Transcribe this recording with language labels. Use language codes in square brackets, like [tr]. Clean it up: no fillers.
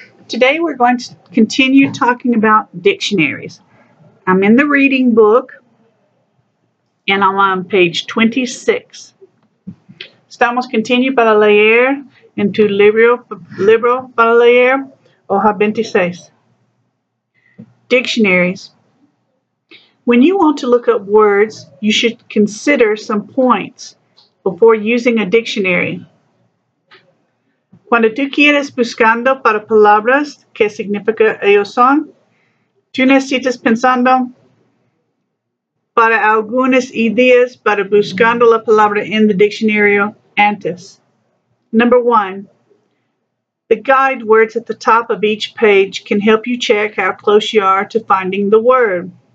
[en] Today we're going to continue talking about dictionaries. I'm in the reading book, and I'm on page 26. [es] Estamos continuando para leer en tu libro para leer, hoja 26. [en] Dictionaries. When you want to look up words, you should consider some points before using a dictionary. [es] Cuando tú quieres buscando para palabras, ¿qué significa ellos son? Tú necesitas pensando para algunas ideas para buscando la palabra en el diccionario antes. [en] Number one, the guide words at the top of each page can help you check how close you are to finding the word.